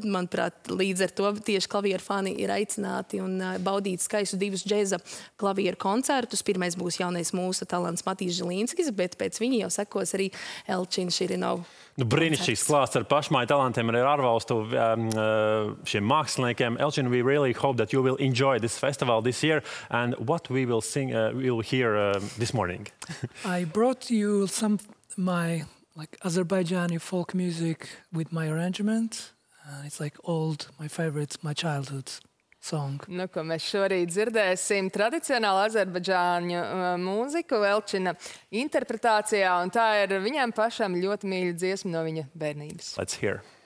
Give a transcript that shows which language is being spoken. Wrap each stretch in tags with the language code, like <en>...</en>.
<lv>Manuprāt, līdz ar to tieši klavieru fani ir aicināti un baudīt skaistu divus džeza klavieru koncertus. Pirmais būs jaunais mūsu talants Matīs Žilinskis, bet pēc viņa jau sekos arī Elčin Širinov. Nu, brīnišķīgs klāsts ar pašmāju talantiem ar ārvalstu šiem māksliniekiem.</lv> <en>Elčin, we really hope that you will enjoy this festival this year and what we will sing, we'll hear this morning. I brought you some my like Azerbaijani folk music with my arrangement. It's like old, my favorite, my childhood song.</en> <lv>Nu, ko mēs šorīt dzirdēsim tradicionālu Azerbaidžāņu mūziku Elčina interpretācijā, un tā ir viņam pašam ļoti mīļa dziesma no viņa bērnības.</lv> <en>Let's hear.</en>